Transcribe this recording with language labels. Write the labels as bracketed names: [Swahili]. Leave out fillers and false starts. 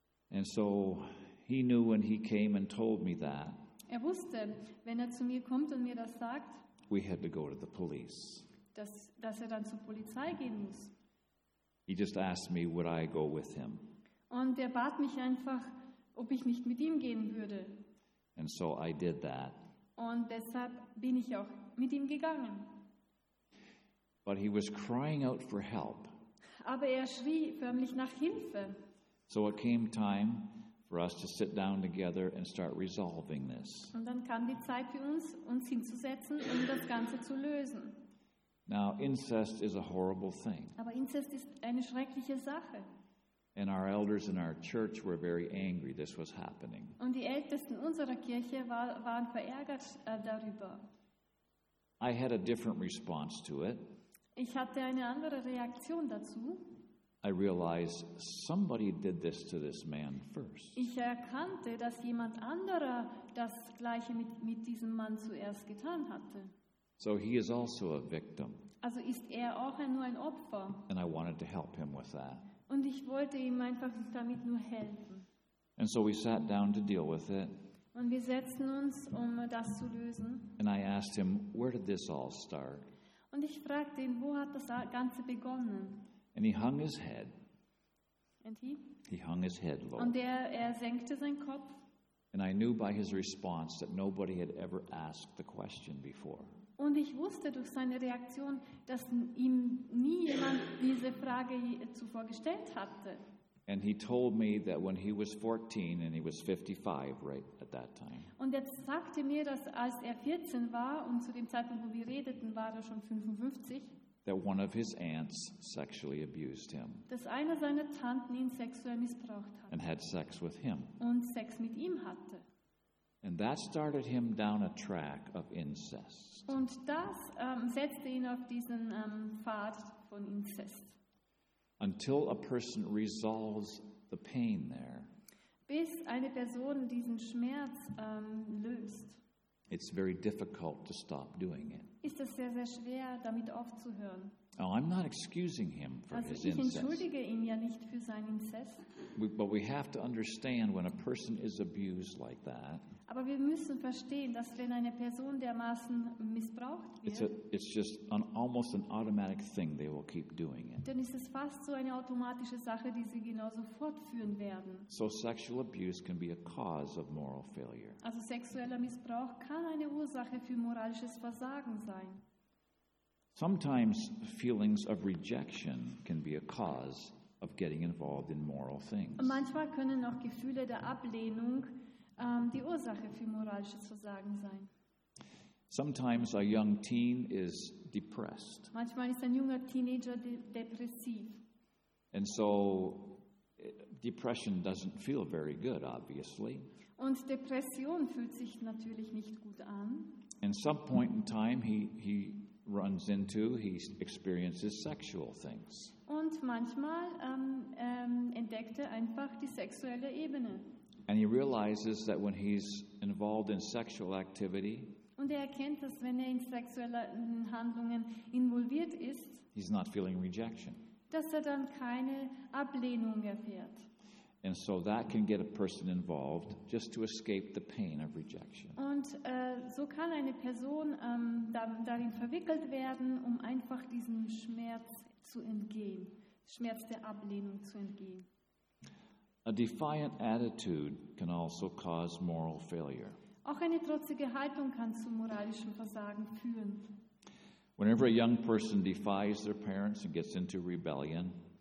[English] And so he knew when he came and told me that. [German] Er wusste, wenn er zu mir kommt und mir das sagt, [English] we had to go to the police. [German] Dass er dann zur Polizei gehen muss. [English] He just asked me, would I go with him? [German] Und er bat mich einfach, ob ich nicht mit ihm gehen würde. [English] And so I did that. [German] Und deshalb bin ich auch mit ihm gegangen. [English] But he was crying out for help. [German] Aber er schrie förmlich nach Hilfe. [English] So it came time for us to sit down together and start resolving this. [German] Und dann kam die Zeit für uns, uns hinzusetzen, um das Ganze zu lösen. [English] Now incest is a horrible thing. [German] Aber Inzest ist eine schreckliche Sache. [English] And our elders in our church were very angry this was happening. [German] Und die Ältesten unserer Kirche waren verärgert darüber. [English] I had a different response to it. [German] Ich hatte eine andere Reaktion dazu. [English] I realized somebody did this to this man first. [German] Ich erkannte, dass jemand anderer das Gleiche mit diesem Mann zuerst getan hatte. [English] So he is also a victim. [German] Also ist er auch nur ein Opfer. [English] And I wanted to help him with that. [German] Und ich wollte ihm einfach damit nur helfen. [English] And so we sat down to deal with it. [German] Und wir setzten uns, um das zu lösen. [English] And I asked him, where did this all start? [German] Und ich fragte ihn, wo hat das Ganze begonnen? [English] And he hung his head. And he hung his head low. [German] Und er senkte seinen Kopf. [English] And I knew by his response that nobody had ever asked the question before. [German] Und ich wusste durch seine Reaktion, dass ihm nie jemand diese Frage zuvor gestellt hatte. [English] And he told me that when he was 14 and he was 55 right at that time. [German] Und er sagte mir, dass als er 14 war und zu dem Zeitpunkt, wo wir redeten, war er schon 55. [English] That one of his aunts sexually abused him. [German] Dass einer seiner Tanten ihn sexuell missbraucht hat. [English] And had sex with him. [German] Und Sex mit ihm hatte. [English] And that started him down a track of incest. [German] Und das setzte ihn auf diesen Pfad von Inzest. [English] Until a person resolves the pain there. [German] Bis eine Person diesen Schmerz löst. [English] It's very difficult to stop doing it. [German] Ist es sehr, sehr schwer, damit aufzuhören. [English] Oh, I'm not excusing him for [German] also [English] his [German] ich [English] incest. [German] Entschuldige ihn ja nicht für seinen Inzest. [English] But we have to understand when a person is abused like that. [German] Aber wir müssen verstehen, dass wenn eine Person dermaßen missbraucht wird, [English] it's just an almost an automatic thing they will keep doing it. [German] Dann ist es fast so eine automatische Sache, die sie genauso fortführen werden. [English] So sexual abuse can be a cause of moral failure. [German] Also sexueller Missbrauch kann eine Ursache für moralisches Versagen sein. [English] Sometimes feelings of rejection can be a cause of getting involved in moral things. [German] Und manchmal können auch Gefühle der Ablehnung die Ursache für moralisches Versagen sein. [English] Sometimes a young teen is depressed. [German] Manchmal ist ein junger Teenager depressiv. [English] And so depression doesn't feel very good, obviously. [German] Und Depression fühlt sich natürlich nicht gut an. [English] At some point in time he runs into, he experiences sexual things. [German] Und manchmal entdeckt er einfach die sexuelle Ebene. [English] And he realizes that when he's involved in sexual activity, [German] und er erkennt, dass wenn er in sexuellen Handlungen involviert ist, [English] he's not feeling rejection. [German] Dass er dann keine Ablehnung erfährt. [English] And so that can get a person involved just to escape the pain of rejection. [German] Und so kann eine Person darin verwickelt werden, um einfach diesem Schmerz zu entgehen, Schmerz der Ablehnung zu entgehen. [English] A defiant attitude can also cause moral failure. [German] Auch eine trotzige Haltung kann zu moralischem Versagen führen. [English] Whenever a young person defies their parents and gets into rebellion,